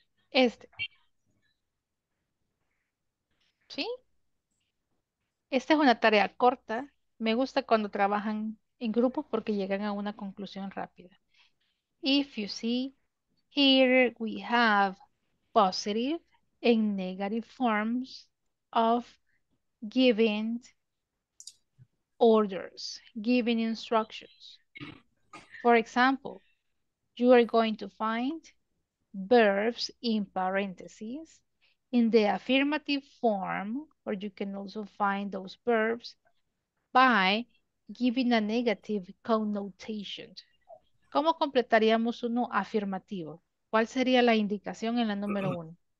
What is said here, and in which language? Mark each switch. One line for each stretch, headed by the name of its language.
Spanish: Este. ¿Sí? Esta es una tarea corta. Me gusta cuando trabajan en grupos porque llegan a una conclusión rápida.
English: If you see, here we have positive and negative forms of giving orders, giving instructions. For example, you are going to find verbs in parentheses in the affirmative form, or you can also find those verbs by giving a negative connotation.
Spanish: ¿Cómo completaríamos uno afirmativo? ¿Cuál sería la indicación en la número uno?